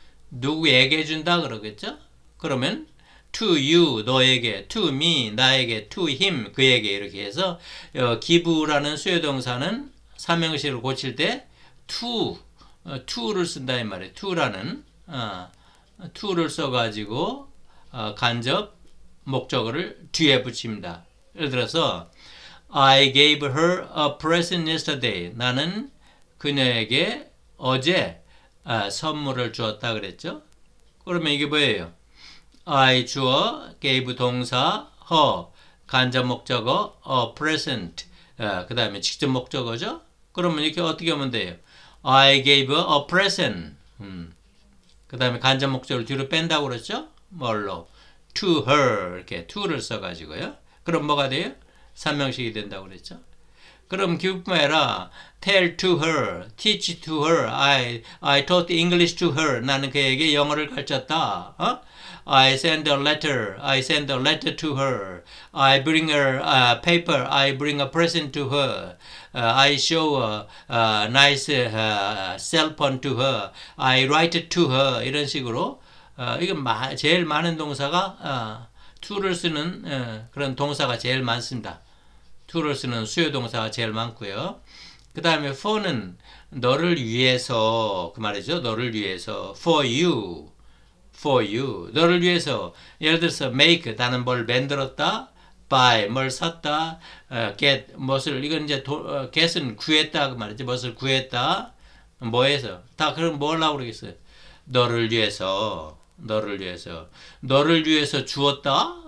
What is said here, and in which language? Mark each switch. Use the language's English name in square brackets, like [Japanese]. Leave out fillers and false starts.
[Korean] 누구에게 준다 그러겠죠? 그러면 to you 너에게, to me 나에게, to him 그에게 이렇게 해서 give라는 수요동사는 삼행시로 고칠 때 to를 쓴다 이 말이에요. to라는 to를 써가지고 간접 목적어를 뒤에 붙입니다. 예를 들어서 [English] I gave her a present yesterday. [Korean] 나는 그녀에게 어제 선물을 주었다 그랬죠. 그러면 이게 뭐예요? I 주어, gave 동사, her 간접 목적어, a present. 그 다음에 직접 목적어죠. 그러면 이렇게 어떻게 하면 돼요? [English] I gave her a present. [Korean] 그 다음에 간접 목적어를 뒤로 뺀다고 그랬죠. 뭘로? To her. 이렇게 to를 써가지고요. 그럼 뭐가 돼요? 삼명식이 된다고 그랬죠? 그럼 [English] give [Korean] 아니라 [English] tell to her, teach to her, I taught English to her. [Korean] 나는 그에게 영어를 가르쳤다. 어? [English] I send a letter, I send a letter to her. I bring her a paper, I bring a present to her. I show a nice cell phone to her. I write to her. [Korean] 이런 식으로 이건 제일 많은 동사가 to를 쓰는 그런 동사가 제일 많습니다. 투를 쓰는 수요 동사가 제일 많고요. 그 다음에 for는 너를 위해서 그 말이죠. 너를 위해서 [English] for you, for you. [Korean] 너를 위해서 예를 들어서 make 나는 뭘 만들었다, buy 뭘 샀다, get 무엇을 이건 이제 get은 구했다 그 말이지 무엇을 구했다 뭐해서 다 그럼 뭘라고 그러겠어요? 너를 위해서 너를 위해서 너를 위해서 주었다.